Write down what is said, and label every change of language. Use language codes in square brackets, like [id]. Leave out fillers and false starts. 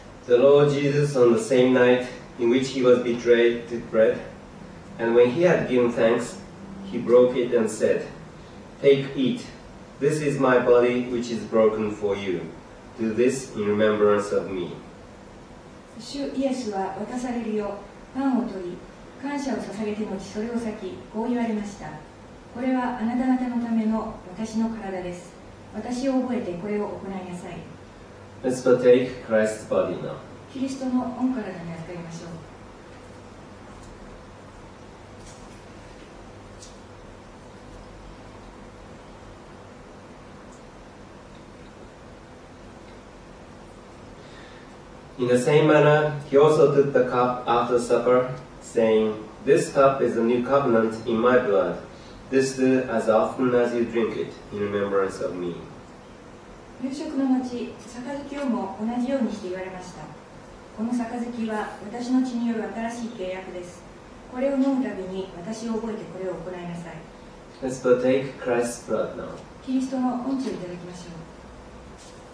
[en] On the same night in which he was betrayed, took bread, and when he had given thanks, he broke it and said, "Take, eat. This is my body, which is broken for you. Do this in remembrance of me." [ja] 主イエスは渡されるよパンを取り、感謝を捧げて持ち、それを裂き、こう言われました。これはあなた方のための私の体です。私を覚えてこれを行いなさい。 [en] Let's partake Christ's body now. [ja] キリストの御体に預かりましょう。 [en] In the same manner, he also took the cup after supper, saying, "This cup is the new covenant in my blood. This do as often as you drink it in remembrance of me." [ja] 夕食の後、杯をも同じようにして言われました。この杯は私の血による新しい契約です。これを飲むたびに私を覚えてこれを行いなさい。 [en] Let's partake Christ's blood now. [ja] キリストの御血をいただきましょう。